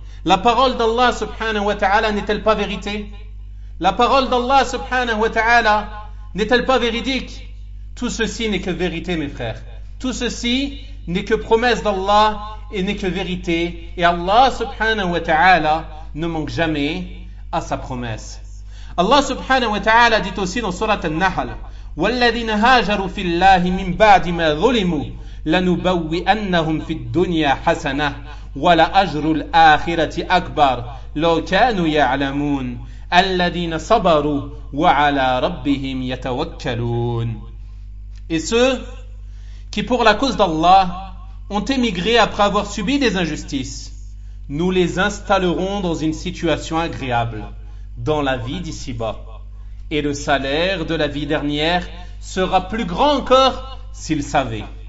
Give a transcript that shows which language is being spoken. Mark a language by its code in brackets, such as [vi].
[fr] La parole d'Allah subhanahu wa ta'ala n'est-elle pas vérité? La parole d'Allah subhanahu wa ta'ala n'est-elle pas véridique? Tout ceci n'est que vérité, mes frères. Tout ceci n'est que promesse d'Allah et n'est que vérité. Et Allah subhanahu wa ta'ala ne manque jamais à sa promesse. Allah subhanahu wa ta'ala dit aussi dans surat al-Nahl: [ar] وَالَّذِينَ هَاجَرُوا فِي اللَّهِ مِنْ بَعْدِ مَا ظُلِمُوا لَنُبَوِّئَنَّهُمْ فِي الدُّنْيَا حَسَنَةً وَلَأَجْرُ الْآخِرَةِ أَكْبَرُ لَوْ كَانُوا يَعْلَمُونَ الَّذِينَ صَبَرُوا وَعَلَى رَبِّهِمْ يَتَوَكَّلُونَ. [fr] Et ceux qui pour la cause d'Allah ont émigré après avoir subi des injustices, nous les installerons dans une situation agréable dans la vie d'ici-bas, et le salaire de la vie dernière sera plus grand encore s'ils savaient.